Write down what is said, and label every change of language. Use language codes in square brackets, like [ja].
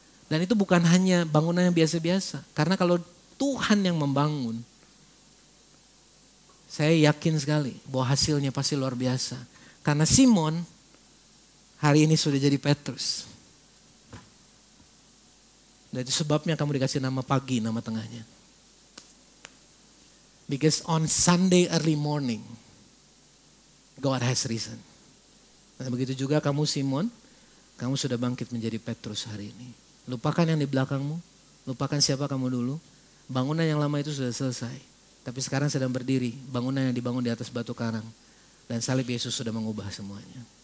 [id] Dan itu bukan hanya bangunan yang biasa-biasa. Karena kalau Tuhan yang membangun, saya yakin sekali bahwa hasilnya pasti luar biasa. Karena Simon hari ini sudah jadi Petrus. Dan itu sebabnya kamu dikasih nama pagi, nama tengahnya. [en] Because on Sunday early morning, God has risen. [id] Nah, begitu juga kamu Simon, kamu sudah bangkit menjadi Petrus hari ini. Lupakan yang di belakangmu, lupakan siapa kamu dulu. Bangunan yang lama itu sudah selesai. Tapi sekarang sedang berdiri, bangunan yang dibangun di atas batu karang. Dan salib Yesus sudah mengubah semuanya.